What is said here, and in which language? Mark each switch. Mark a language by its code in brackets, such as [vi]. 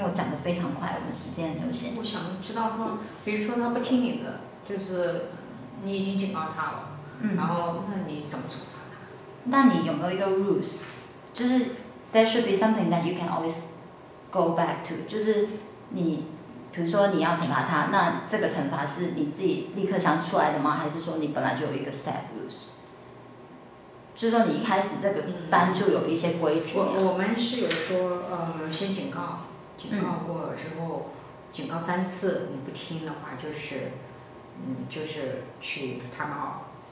[zh] 因为我讲得非常快，我们时间有限。我想知道说，比如说他不听你的，就是你已经警告他了，然后那你怎么处罚他？那你有没有一个 rules？ [en] 就是 there should be something that you can always go back to。 [zh] 就是你，比如说你要惩罚他，那这个惩罚是你自己立刻想出来的吗？还是说你本来就有一个 step rules？就是说你一开始这个班就有一些规矩。我们是有说先警告过之后，警告三次你不听的话，就是去 time out。